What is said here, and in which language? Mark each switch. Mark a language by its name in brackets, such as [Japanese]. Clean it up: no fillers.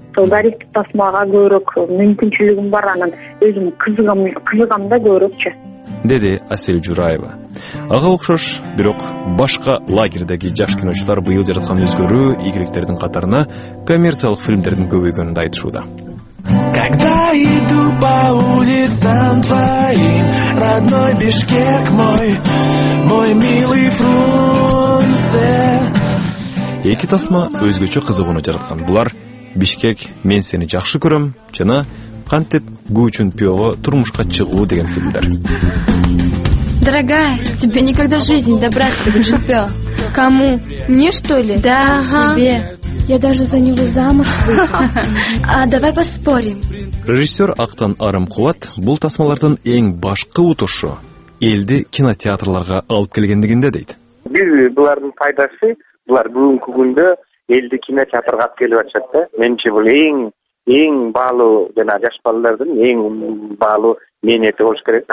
[Kyrgyz] Сол дарифтик тасмага көбүрөөк мүмкүнчүлүгүм бар, анан өзүм кызыгам да көбүрөөкчү, деди Асель Жураева. Ага окшош, бирок башка лагерьдеги жаш киночулар быйыл жараткан өзгөрүү ийгиликтердин катарына коммерциялык фильмдердин көбөйгөнүн да айтышууда. [Russian] Когда иду по улицам твоим, родной Бишкек мой, мой милый Фрунзе. [Kyrgyz] Эки тасма өзгөчө кызыгууну жараткан. Булар Бишкек, мен сени жакшы көрөм жана кантип күүчүн пиого турмушка чыгуу деген фильмдер. [Russian] Дорогая, тебе никогда в жизни добраться до Чунпё. Кому? Мне что ли? Да, ага. Тебе. Я даже за него замуж выйду. А давай поспорим. [Kyrgyz] Режиссер Актан Арымкулат бул тасмалардын эң башкы утушу элди кинотеатрларга алып келгендигинде дейт. Биз булардын пайдасы, булар бүгүнкү күндө элди кинотеатрга алып келип атышат да. Менчи бул эң баалуу жана жаш балдардын эң баалуу мээнети болуш керек.